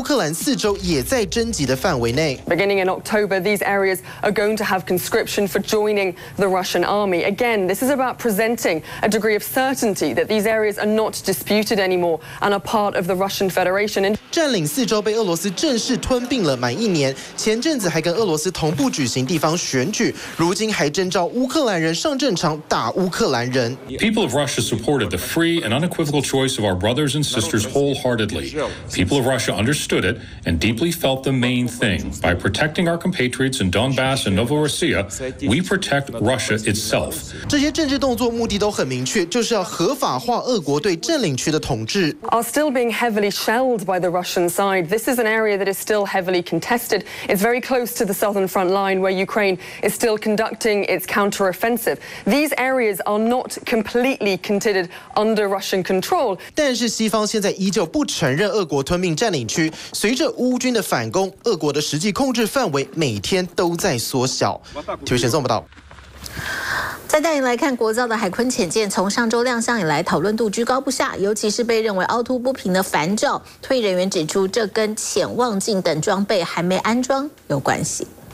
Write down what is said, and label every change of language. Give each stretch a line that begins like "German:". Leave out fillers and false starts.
Chinese: 只是缺兵缺残的俄罗斯国防部宣布10月1号起展开新一轮的征兵，预计征集13万义务役的士兵，连占领的乌克兰四州也在征集的范围内。
English: Beginning in October, these areas are going to have conscription for joining the Russian army. Again, this is about presenting a degree of certainty that these areas are not disputed anymore and are part of the Russian Federation.
Chinese: 占领四州被俄罗斯正式吞并了满一年，前阵子还跟俄罗斯同步举行地方选举，如今还征召 乌克兰人上战场打乌克兰人。
English: People of Russia supported the free and unequivocal choice of our brothers and sisters wholeheartedly. People of Russia understood it and deeply felt the main thing. By protecting our compatriots in Donbass and Novorossiya, we protect Russia itself.
Chinese: 这些政治动作目的都很明确，就是要合法化俄国对占领区的统治。
English: Are still being heavily shelled by the Russian side. This is an area that is still heavily contested. It's very close to the southern front line where Ukraine is still conducting its counteroffensive. These areas are not completely considered under Russian control.
Chinese: 但是西方现在依旧不承认俄国吞并占领区，随着乌军的反攻，俄国的实际控制范围每天都在缩小。TVBS报道。再带你来看国造的海鲲潜舰，从上周亮相以来，讨论度居高不下，尤其是被认为凹凸不平的帆罩，退役人员指出，这跟潜望镜等装备还没安装有关系。